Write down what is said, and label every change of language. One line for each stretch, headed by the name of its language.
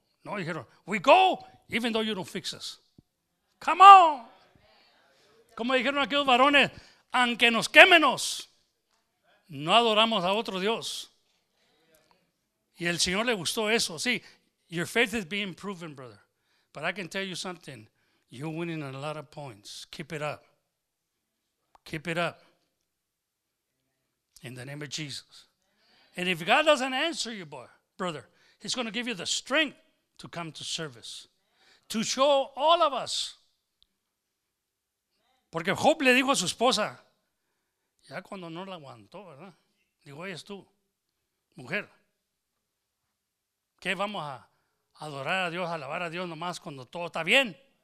Spanish: No, dijeron,
English: we go even though you don't fix us. Come on.
Spanish: Como dijeron aquellos varones, aunque nos quémenos, no adoramos a otro Dios. Y el Señor le gustó eso. Sí,
English: your faith is being proven, brother. But I can tell you something. You're winning a lot of points. Keep it up. Keep it up. In the name of Jesus. And if God doesn't answer you, boy, brother, he's going to give you the strength to come to service. To show all of us.
Spanish: Porque Job le dijo a su esposa, ya cuando no la aguantó, ¿verdad? Dijo, oye, es tú, mujer. ¿Qué vamos a adorar a Dios, alabar a Dios nomás cuando todo está bien?